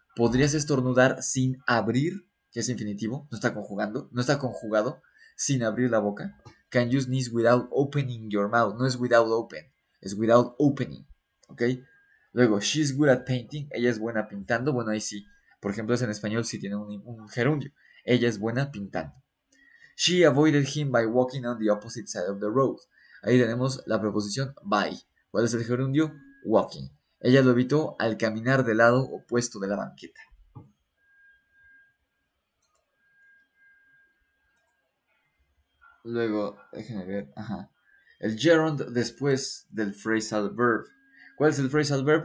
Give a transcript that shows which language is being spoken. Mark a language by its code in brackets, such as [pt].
[es] ¿Podrías estornudar sin abrir? Que es infinitivo, no está conjugando, no está conjugado sin abrir la boca. [en] Can you sneeze without opening your mouth? [es] No es [en] without open, es without opening. ¿Ok? [es] Luego, [en] she's good at painting. [es] Ella es buena pintando. Bueno, ahí sí. Por ejemplo, es en español si sí tiene un gerundio. Ella es buena pintando. [en] She avoided him by walking on the opposite side of the road. [es] Ahí tenemos la preposición by. ¿Cuál es el gerundio? Walking. Ella lo evitó al caminar del lado opuesto de la banqueta. Luego, déjenme ver. Ajá. El gerund después del phrasal verb. ¿Cuál es el phrasal verb?